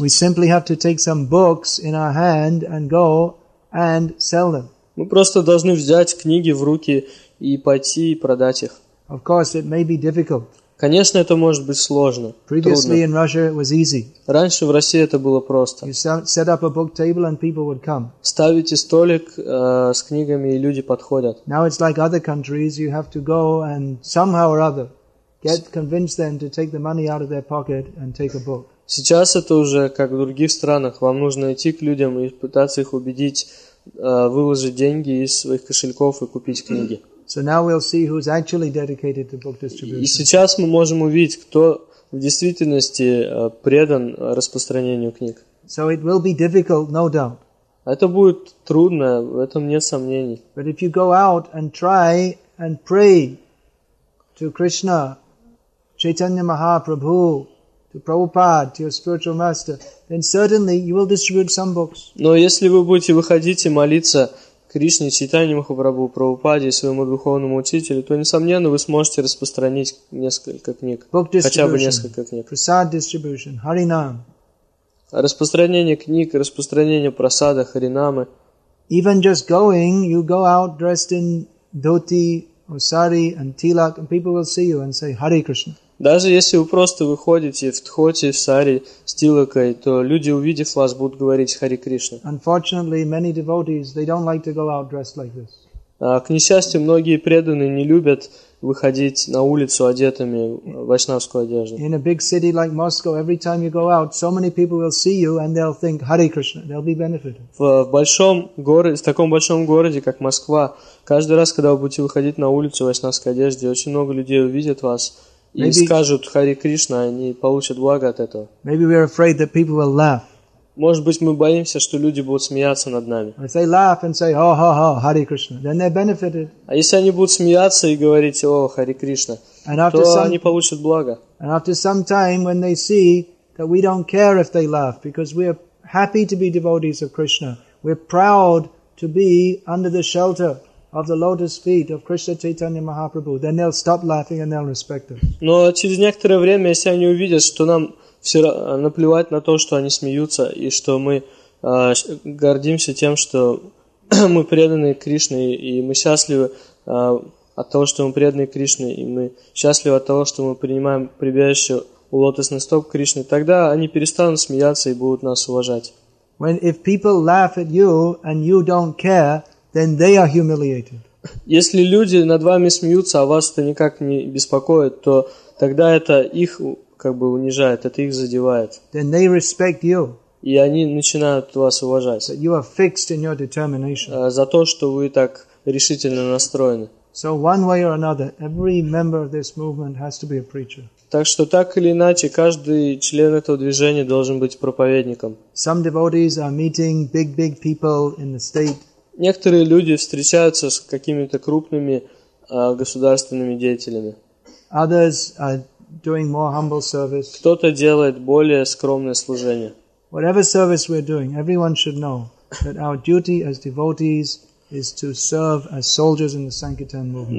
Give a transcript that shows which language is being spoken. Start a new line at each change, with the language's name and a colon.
English: We simply have to take some books in our hand and go and sell them.
Russian: Мы просто должны взять книги в руки и пойти и продать их.
English: Of course, it may be difficult.
Russian: Конечно, это может быть сложно.
English: Previously,
Russian: трудно.
English: In Russia, it was easy.
Russian: Раньше в России это было просто.
English: You set up a book table and people would come.
Russian: Ставите столик с книгами и люди подходят.
English: Now it's like other countries, you have to go and somehow or other. Get convince them to take the money out of their pocket and take a book.
Russian: Сейчас это уже как в других странах. Вам нужно идти к людям и пытаться их убедить выложить деньги из своих кошельков и купить книги.
English: So now we'll see who's actually dedicated to book distribution.
Russian: И сейчас мы можем увидеть, кто в действительности предан распространению книг.
English: So it will be difficult, no doubt.
Russian: Это будет трудно, в этом нет сомнений.
English: But if you go out and try and pray to Krishna, Chaitanya Mahaprabhu, to Prabhupada, to your spiritual master, then certainly you will distribute some books.
Russian: Но если вы будете выходить и молиться Кришне, Чайтанье Махапрабху, Прабхупаде и своему духовному учителю, то, несомненно, вы сможете распространить несколько книг.
English: Book distribution,
Russian: хотя бы несколько книг.
English: Prasad distribution, Harinam.
Russian: Распространение книг, распространение прасада, Харинамы.
English: Even just going, you go out dressed in dhoti, Усари and Тилак, and people will see you and say Hare Krishna.
Russian: Даже если вы просто выходите в дхоти, в сари, с тилакой, то люди, увидев вас, будут говорить Hare Krishna.
English: Unfortunately, many devotees they don't like to go out dressed like this.
Russian: К несчастью, многие преданные не любят выходить на улицу одетыми в вайшнавскую одежду.
English: In a big city like Moscow, every time you go out, so many people will see you and they'll think Hare Krishna. They'll be benefited.
Russian: В таком большом городе, как Москва, каждый раз, когда вы будете выходить на улицу в вайшнавской одежде, очень много людей увидят вас и
English: maybe,
Russian: скажут Hare Krishna, они получат благо от этого.
English: Maybe we are afraid that people will laugh.
Russian: Может быть, мы боимся, что люди будут смеяться над нами.
English: If they laugh and say, oh, oh, oh, Hare Krishna, then they're benefited.
Russian: А если они будут смеяться и говорить, о, Hare Krishna, то они получат благо.
English: And after some time, when they see that we don't care if they laugh, because we are happy to be devotees of Krishna, we're proud to be under the shelter of the lotus feet of Krishna Chaitanya Mahaprabhu, then they'll stop laughing and they'll respect us.
Russian: Но через некоторое время, если они увидят, что нам все наплевать на то, что они смеются, и что мы гордимся тем, что мы преданы Кришне, и мы счастливы от того, что мы преданы Кришне, и мы счастливы от того, что мы принимаем прибежище у лотосных стоп Кришны, тогда они перестанут смеяться и будут нас уважать.
English: When if people laugh at you and you don't care, then they are humiliated.
Russian: Если люди над вами смеются, а вас это никак не беспокоит, то тогда это их как бы унижает, это их задевает.
English: Then they respect you.
Russian: И они начинают вас уважать.
English: That you are fixed in your determination.
Russian: За то, что вы так решительно настроены.
English: So one way or another, every member of this movement has to be a preacher.
Russian: Так что так или иначе, каждый член этого движения должен быть проповедником.
English: Some devotees are meeting big people in the state.
Russian: Некоторые люди встречаются с какими-то крупными государственными деятелями.
English: Others are doing more humble service.
Russian: Кто-то делает более скромное служение.
English: Whatever service we're doing, everyone should know that our duty as devotees is to serve as soldiers in the Sankirtan movement.